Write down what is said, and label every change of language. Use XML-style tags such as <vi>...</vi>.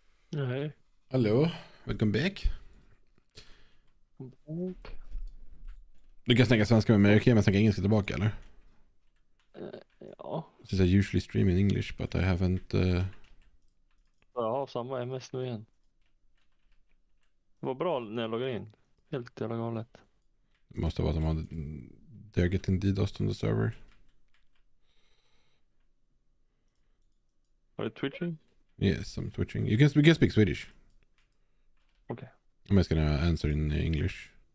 <sv>Nej.</sv> <en>Hallå, welcome back.</en> <sv>Du kan snacka svenska med mig, okej, men snacka engelska tillbaka, eller? Ja.</sv> <en>Since I usually stream in English, but I haven't...</en> <sv>Ja, samma MS nu igen. Det var bra när jag loggade in. Helt jävla galet. Det måste vara att de hade...</sv> <en>They're getting DDoS on the server. Are you twitching? Yes, I'm twitching. You can speak Swedish. Okay. I'm just gonna answer in English.</en>